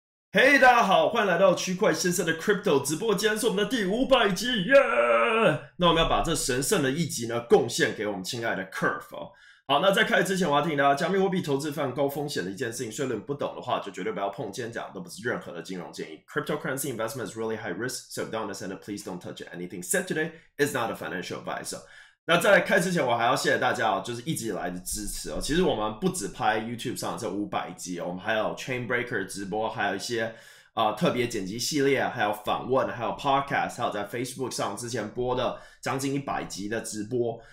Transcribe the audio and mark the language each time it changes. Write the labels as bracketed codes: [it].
[zh] 嘿，大家好，欢迎来到区块先生的 Crypto 直播间，是我们的第500集，耶、yeah!！那我们要把这神圣的一集呢，贡献给我们亲爱的 Curve 哦。好，那在开始之前，我要提醒大家，加密货币投资非常高风险的一件事情，所以你不懂的话，就绝对不要碰。今天讲的都不是任何的金融建议。 [en] Cryptocurrency investment is really high risk, so if you don't understand it, please don't touch anything said today. It's not a financial advice. [zh] 那在开始之前，我还要谢谢大家哦，就是一直以来的支持哦。其实我们不止拍 YouTube 上的这500集哦，我们还有 Chainbreaker 直播，还有一些特别剪辑系列，还有访问，还有 Podcast，还有在 Facebook 上之前播的将近100集的直播。